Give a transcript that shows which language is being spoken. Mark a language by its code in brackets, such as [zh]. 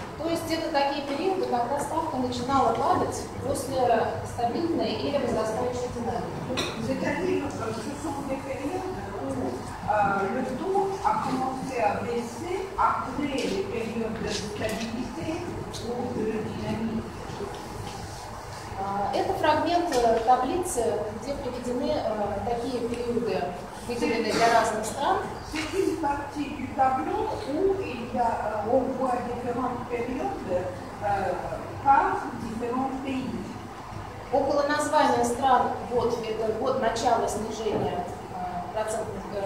[ru] То есть это такие периоды, когда ставка начинала падать после стабильной или возрастающей динамики. [fr] C'est-à-dire que ce sont des périodes où le taux a commencé à baisser après les périodes de stabilité ou de dynamique. [ru] Это фрагмент таблицы, где приведены такие периоды, выделенные для разных стран. [fr] C'est une partie du tableau où il y a, on voit différentes périodes par différents pays. [ru] Около названия стран, вот это год начала снижения процентных